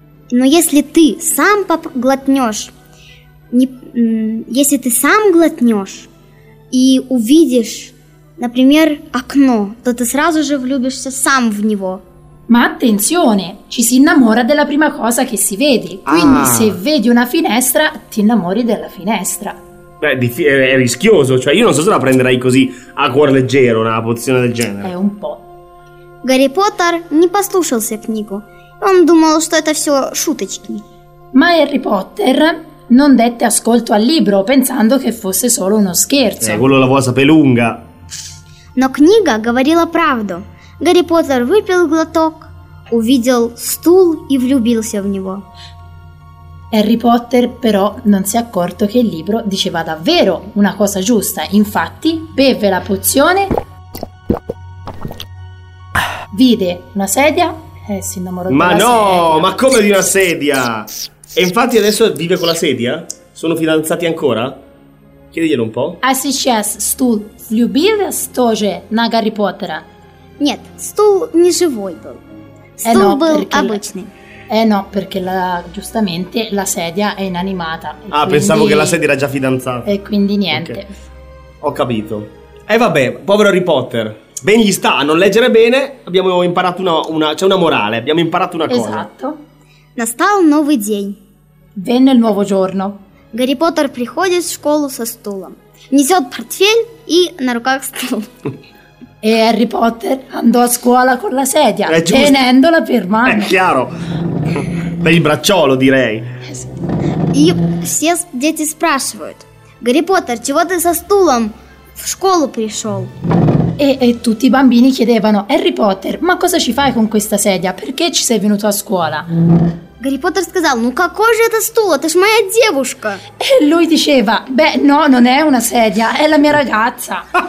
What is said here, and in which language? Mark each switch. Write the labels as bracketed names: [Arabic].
[Russian] Но если ты сам поглотнешь, если ты сам глотнешь и увидишь, например, окно, то ты сразу же влюбишься сам в него. [Italian] Ma attenzione, ci si innamora della prima cosa che si vede. Quindi se vedi una finestra, ti innamori della finestra. Beh, è rischioso, cioè io non so se la prenderai così a cuor leggero una pozione del genere. È un po'. [Russian] Гарри Поттер не послушался книгу. Он думал, что это все шуточки. [Italian] Ma Harry Potter non dette ascolto al libro, pensando che fosse solo uno scherzo. Quello la vuoi sapere lunga. [Russian] Но книга говорила правду. Гарри Поттер выпил глоток, увидел стул и влюбился в него. [Italian] Harry Potter però non si è accorto che il libro diceva davvero una cosa giusta. Infatti, beve la pozione, vide una sedia e si innamorò ma della no, sedia. Ma no, ma come di una sedia? E infatti adesso vive con la sedia? Sono fidanzati ancora? Chiediglielo un po'. [Russian] А сейчас стул влюбилась тоже на Гарри Поттера. Нет, стул не живой был. Стул был обычный. [Italian] No, perché giustamente la sedia è inanimata. Ah, quindi... pensavo che la sedia era già fidanzata. E quindi niente. Okay. Ho capito. E vabbè, povero Harry Potter. Ben gli sta a non leggere bene. Abbiamo imparato una morale. Abbiamo imparato una cosa. Esatto. [Russian] Настал новый день. [Italian] Venne il nuovo giorno. [Russian] Гарри Поттер приходит в школу со стулом. Несет портфель и на руках стул. [Italian] E Harry Potter andò a scuola con la sedia, tenendola per mano. È chiaro. Per il bracciolo, direi. [Russian] И все дети спрашивают: Гарри Поттер, чего ты со стулом в школу пришел? [Italian] E tutti i bambini chiedevano: Harry Potter, ma cosa ci fai con questa sedia? Perché ci sei venuto a scuola? [Russian] Гарри Поттер сказал: ну какой же это стул, это ж моя девушка. [Italian] E lui diceva: beh, no, non è una sedia, è la mia ragazza.